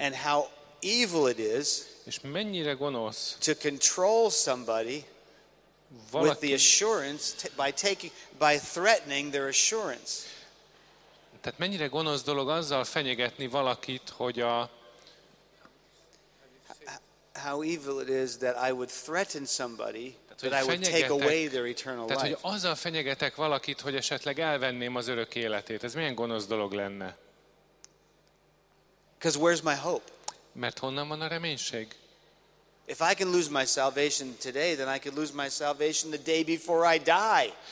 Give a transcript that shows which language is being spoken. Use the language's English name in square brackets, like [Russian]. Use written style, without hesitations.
[English] And how evil it is. [Hungarian] És mennyire gonosz. [English] To control somebody. [Hungarian] Valaki, [English] with the assurance by threatening their assurance. [Hungarian] Tehát mennyire gonosz dolog azzal fenyegetni valakit, hogy a [English] how evil it is that I would threaten somebody that I would take away their eternal life. [Hungarian] Tehát hogy azzal fenyegetek valakit, hogy esetleg elvenném az örök életét. Ez milyen gonosz dolog lenne? [English] Because where's my hope? [Hungarian] Mert honnan van a reménység? [English] If I can lose my salvation today, then I could lose my salvation the day before I die.